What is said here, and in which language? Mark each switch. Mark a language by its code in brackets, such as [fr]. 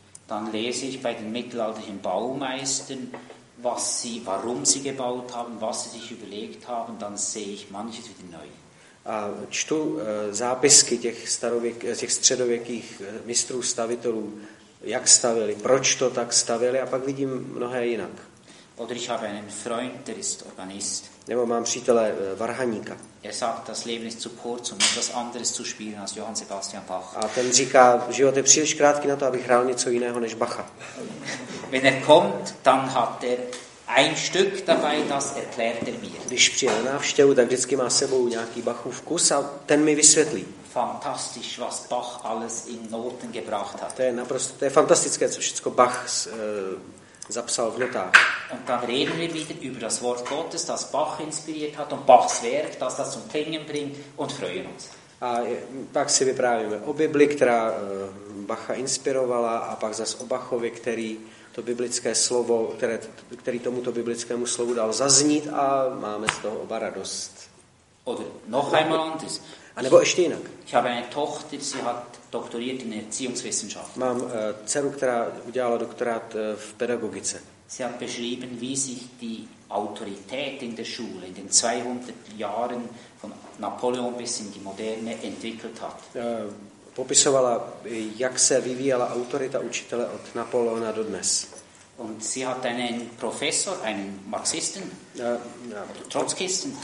[de] Dann lese ich bei den mittelalterlichen Baumeistern, warum sie gebaut haben, was sie sich überlegt haben, dann sehe ich manches wieder neu. [cs] A čtu zápisky těch středověkých mistrů stavitelů, jak stavili, proč to tak stavili, a pak vidím mnohé jinak. [de] Oder ich habe einen Freund, der ist Organist. [cs] Nebo mám přítele varhaníka. [de] Er sagt, das Leben ist zu kurz, um etwas anderes zu spielen als Johann Sebastian Bach. [cs] A ten říká, život je příliš krátký na to, abych hrál něco jiného než Bacha. [de] Wenn er kommt, dann hat er ein Stück dabei, das erklärt er mir. [cs] Když přijde na návštěvu, tak vždycky má sebou nějaký Bachův kus a ten mi vysvětlí. [de] Fantastisch, was Bach alles in Noten gebracht hat. [cs] To je fantastické, co všechno Bach zapsal v notách. [de] Und dann reden wir wieder über das Wort Gottes, das Bach inspiriert hat und Bachs Werk, das zum Klingen bringt und freuen uns. [cs] A pak si vyprávíme o Bibli, která Bacha inspirovala, a pak zas o Bachovi, který to biblické slovo, který tomuto biblickému slovu dal zaznít, a máme z toho oba radost. [de] Noch einmal anders. [cs] A nebo ještě jinak. [de] Ich habe eine Tochter, sie hat doktoriert in Erziehungswissenschaft. [cs] Mám dceru, která udělala doktorát v pedagogice. [de] Sie hat beschrieben, wie sich die Autorität in der Schule in den 200 Jahren von Napoleon bis in die Moderne entwickelt hat. [cs] Popisovala, jak se vyvíjela autorita učitele od Napoleona do dnes. [de] Und sie hat einen Professor, einen Marxisten, Trotzkisten.